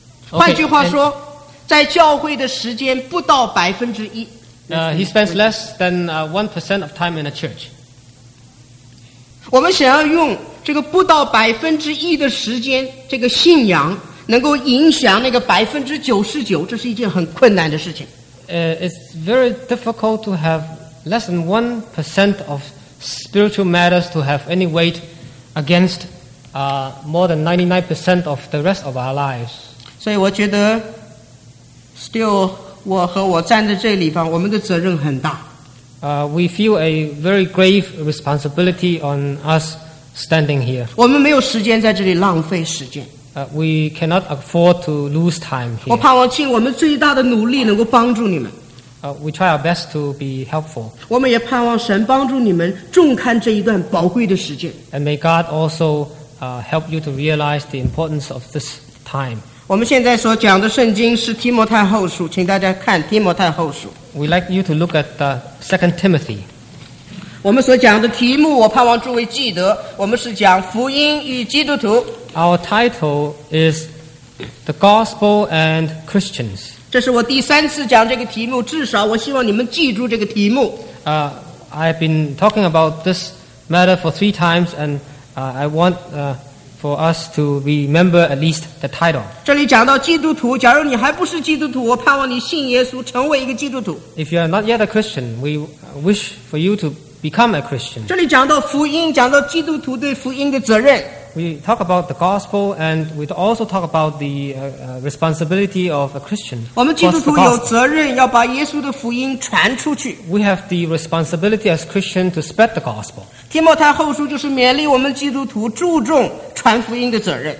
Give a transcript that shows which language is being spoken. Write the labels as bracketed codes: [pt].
[zh] 换句话说，在教会的时间不到1%。 [en] He spends less than 1% of time in the church. [zh] 我们想要用这个不到1%的时间，这个信仰能够影响那个99%，这是一件很困难的事情。 [en] It's very difficult to have less than 1% of spiritual matters to have any weight against more than 99% of the rest of our lives. [zh] 所以我觉得 still 我和我站在这里方，我们的责任很大。 [en] We feel a very grave responsibility on us standing here. [zh] 我们没有时间在这里浪费时间。 [en] We cannot afford to lose time here. [zh] 我盼望尽我们最大的努力能够帮助你们。 [en] We try our best to be helpful. [zh] 我们也盼望神帮助你们重看这一段宝贵的时间。 [en] And may God also help you to realize the importance of this time. [zh] 我们现在所讲的圣经是提摩太后书，请大家看提摩太后书。 [en] We'd like you to look at Second Timothy. [zh] 我们所讲的题目，我盼望诸位记得，我们是讲福音与基督徒。 [en] Our title is The Gospel and Christians. [zh] 这是我第三次讲这个题目，至少我希望你们记住这个题目。 [en] I've been talking about this matter for 3 times, and I want for us to remember at least the title. [zh] 这里讲到基督徒，假如你还不是基督徒，我盼望你信耶稣，成为一个基督徒。 [en] If you are not yet a Christian, we wish for you to become a Christian. [zh] 这里讲到福音，讲到基督徒对福音的责任。 [en] We talk about the gospel, and we also talk about the responsibility of a Christian. [zh] 我们基督徒有责任要把耶稣的福音传出去。 [en] We have the responsibility as Christian to spread the gospel. [zh] 提摩太后书就是勉励我们基督徒注重传福音的责任。